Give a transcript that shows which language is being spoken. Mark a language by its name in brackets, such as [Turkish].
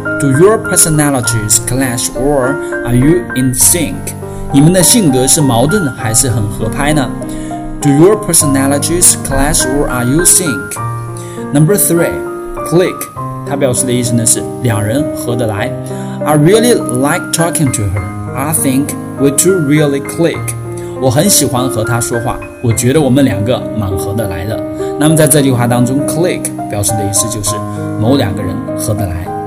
[English] Do your personalities clash or are you in sync？ [Chinese] 你们的性格是矛盾还是很合拍呢？ [English] Do your personalities clash or are you sync? Number three, click. [Chinese] 它表示的意思呢是两人合得来。 [English] I really like talking to her. I think we do really click. [Chinese] 我很喜欢和她说话，我觉得我们两个蛮合得来的。那么在这句话当中， click 表示的意思就是某两个人合得来。